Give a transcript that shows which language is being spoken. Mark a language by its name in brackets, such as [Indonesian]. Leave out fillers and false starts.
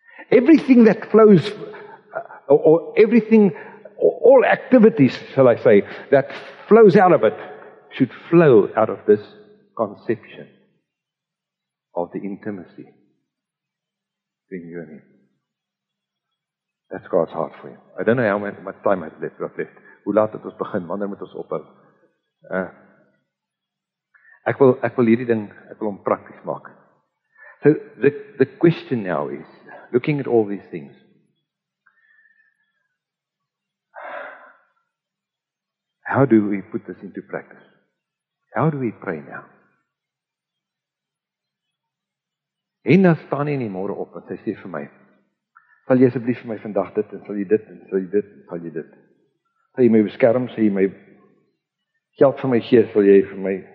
[English] Everything that flows, all activities, shall I say, that flows out of it, should flow out of this conception of the intimacy between you and Him. That's God's heart for you. I don't know how much time I've left. [Afrikaans] Hoe laat het ons begin? Wanneer moet ons ophou? Ek wil hierdie ding, ek wil hom prakties maak. [English] So the question now is, looking at all these things, how do we put this into practice? How do we pray now? [Afrikaans] Henna staan nie môre op en sy sê vir my, sal jy asseblief vir my vandag dit en sal jy dit en sal jy dit en sal jy dit? Sal jy my beskerm, sal jy my geld vir my gee, sal jy vir my?